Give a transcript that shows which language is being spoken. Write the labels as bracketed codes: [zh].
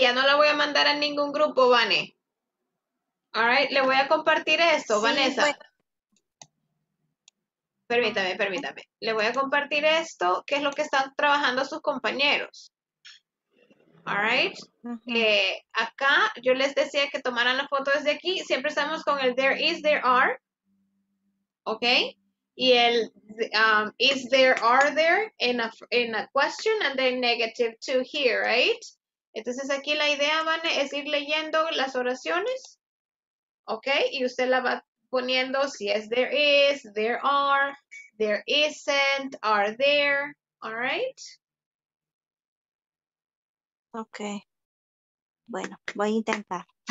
[es] Ya no la voy a mandar a ningún grupo, Vane. [en] All right, [es] le voy a compartir esto, sí, Vanessa. Bueno. Permítame. Le voy a compartir esto, que es lo que están trabajando sus compañeros. [en] All right. Uh-huh. [es] Acá yo les decía que tomaran la foto desde aquí. Siempre estamos con el [en] there is, there are. [es] Ok. Y el [en] is there, are there in a question and then negative to here, right? [es] Entonces aquí la idea, Vane, es ir leyendo las oraciones. Ok. Y usted la va poniendo si es [en] there is, there are, there isn't, are there. All right. [es] Ok. Bueno, voy a intentar.